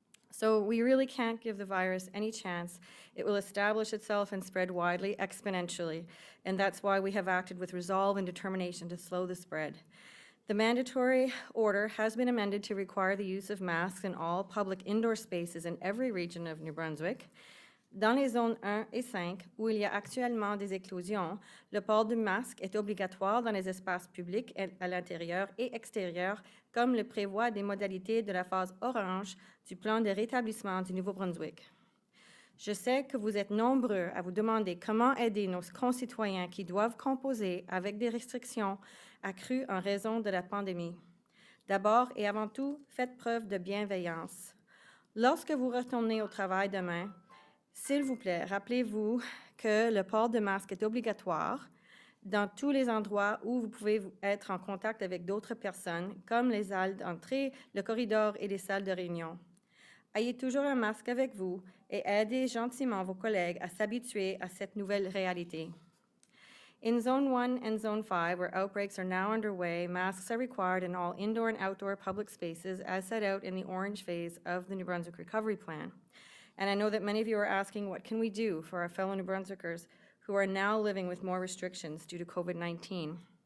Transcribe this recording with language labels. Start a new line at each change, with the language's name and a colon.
English: So we really can't give the virus any chance. It will establish itself and spread widely, exponentially, and that's why we have acted with resolve and determination to slow the spread. The mandatory order has been amended to require the use of masks in all public indoor spaces in every region of New Brunswick.
French: Dans les zones 1 et 5, où il y a actuellement des éclosions, le port du masque est obligatoire dans les espaces publics à l'intérieur et extérieur, comme le prévoient des modalités de la phase orange du plan de rétablissement du Nouveau-Brunswick. Je sais que vous êtes nombreux à vous demander comment aider nos concitoyens qui doivent composer avec des restrictions accrues en raison de la pandémie. D'abord et avant tout, faites preuve de bienveillance. Lorsque vous retournez au travail demain, s'il vous plaît, rappelez-vous que le port de masque est obligatoire dans tous les endroits où vous pouvez être en contact avec d'autres personnes, comme les salles d'entrée, le corridor et les salles de réunion. Ayez toujours un masque avec vous et aidez gentiment vos collègues à s'habituer à cette nouvelle réalité.
English: In Zone 1 and Zone 5, where outbreaks are now underway, masks are required in all indoor and outdoor public spaces as set out in the orange phase of the New Brunswick Recovery Plan. And I know that many of you are asking, what can we do for our fellow New Brunswickers who are now living with more restrictions due to COVID-19?